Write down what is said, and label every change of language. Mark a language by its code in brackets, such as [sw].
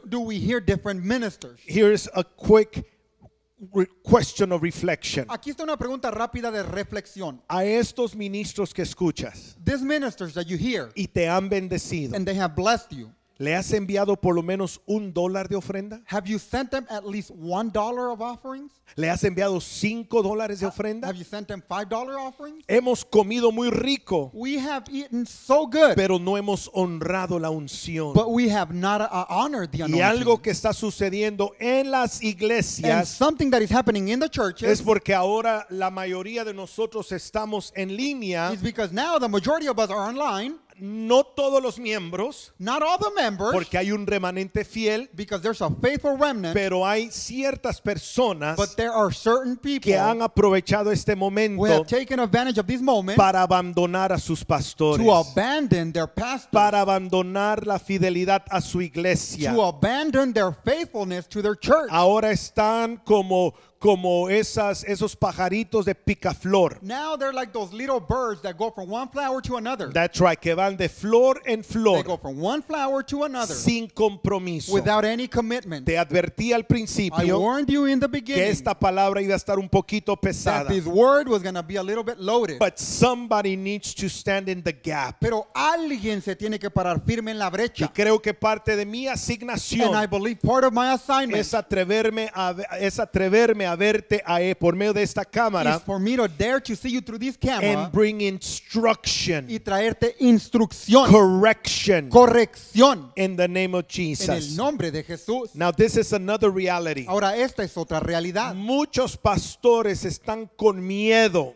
[en] Do we hear different ministers? Here's a quick question of reflection. [es] Aquí está una pregunta rápida de reflexión. A estos ministros que escuchas, [en] these ministers that you hear, [es] y te han bendecido, [en] and they have blessed you, [es] ¿le has enviado por lo menos $1 de ofrenda? [en] Have you sent them at least $1 of offerings? [es] ¿Le has enviado $5 de ofrenda? [en] Have you sent them $5 offerings? [es] Hemos comido muy rico. [en] We have eaten so good. [es] Pero no hemos honrado la unción. [en] But we have not honored the anointing. [es] Y algo que está sucediendo en las iglesias, [en] and something that is happening in the churches, [es] es porque ahora la mayoría de nosotros estamos en línea. [en] It's because now the majority of us are online. [es] No todos los miembros, [en] not all the members, [es] porque hay un remanente fiel, [en] because there's a faithful remnant, [es] pero hay ciertas personas, [en] but there are certain people, [es] que han aprovechado este momento, [en] who have taken advantage of this moment, [es] para abandonar a sus pastores, [en] to abandon their pastors, [es] para abandonar la fidelidad a su iglesia, [en] to abandon their faithfulness to their church. [es] Ahora están como como esos pajaritos de picaflor. [en] Now they're like those little birds that go from one flower to another. That's right, [es] que van de flor en flor. [en] They go from one flower to another. [es] Sin compromiso. [en] Without any commitment. [es] Te advertí al principio. [en] I warned you in the beginning. [es] Que esta palabra iba a estar un poquito pesada. [en] That this word was going to be a little bit loaded. But somebody needs to stand in the gap. [es] Pero alguien se tiene que parar firme en la brecha. Y creo que parte de mi asignación. [en] And I believe part of my assignment. [es] Es atreverme a verte por medio de esta cámara, [en] is for me to dare to see you through this camera and bring instruction, [es] y traerte instrucción, corrección, [en] in the name of Jesus, [es] en el nombre de Jesús. [en] Now this is another reality. [es] Ahora esta es otra realidad. Muchos pastores están con miedo.